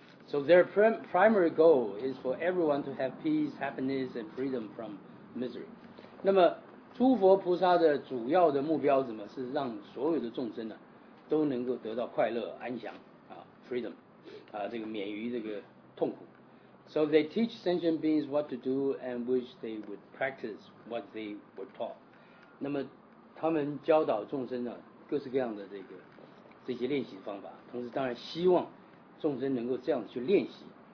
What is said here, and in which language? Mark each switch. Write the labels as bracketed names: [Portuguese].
[English] So their primary goal is for everyone to have peace, happiness, and freedom from misery. [Chinese] 那么诸佛菩萨的主要的目标是什么？是让所有的众生呢、啊、都能够得到快乐、安详啊 ，freedom 啊，这个免于这个痛苦。 [English] So they teach sentient beings what to do and wish they would practice what they were taught. [Chinese] 那么他们教导众生呢、啊，各式各样的这个这些练习方法，同时当然希望众生能够这样去练习。